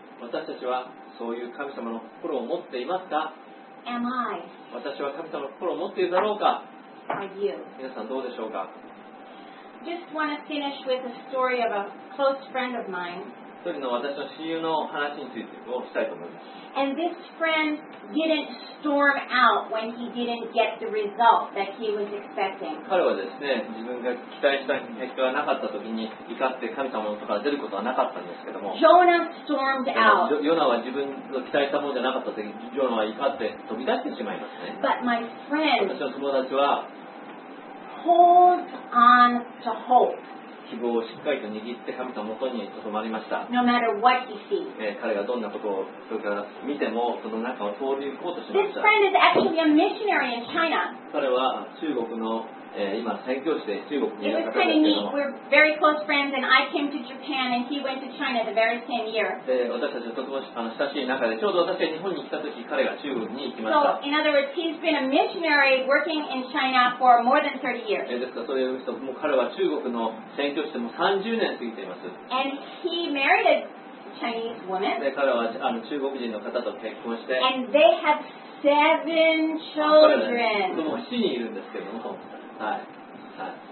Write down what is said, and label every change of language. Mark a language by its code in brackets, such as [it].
[ja] 私たちはそういう神様の心を持っていますか。 [en] Am I? [ja] 私は神様の心を持っているだろうか。 [en] Are you? [ja] 皆さんどうでしょうか。 [en] Just want to finish with a story of a close friend of mine. [ja] 一人の私の親友の話についてをしたいと思います。 [en] And this friend didn't storm out when he didn't get the result that he was expecting. [ja] 彼はですね、自分が期待した結果がなかった時に怒って神様のところから出ることはなかったんですけども。 [en] Jonah stormed out. [ja] ヨナは自分の期待したものじゃなかった時にジョナは怒って飛び出してしまいますね。 [en] But my friend [ja] 私の友達は [en] hold on to hope. [ja] 希望をしっかりと握って神様の元にとどまりました。 [en] No matter what he sees. [ja] 彼がどんなことをそれから見てもその中を通り行こうとしました。 [en] This friend is actually a missionary in China. [ja] 彼は中国の、今宣教師で中国にいる方ですけども。 [en] We're very close friends and I came to Japan and he went to China the very same year. [ja] 私たちはとても親しい中でちょうど私が日本に来た時彼が中国に行きました。 [en] So in other words, he's been a missionary working in China for more than 30 years. [ja] ですからそういう人もう彼は中国の宣教しても30年過ぎています。 [en] And he married a Chinese woman. [ja] で彼はあの中国人の方と結婚して [en] And they have seven children. [ja] 彼は、ね、子供7人いるんですけども、はいはい、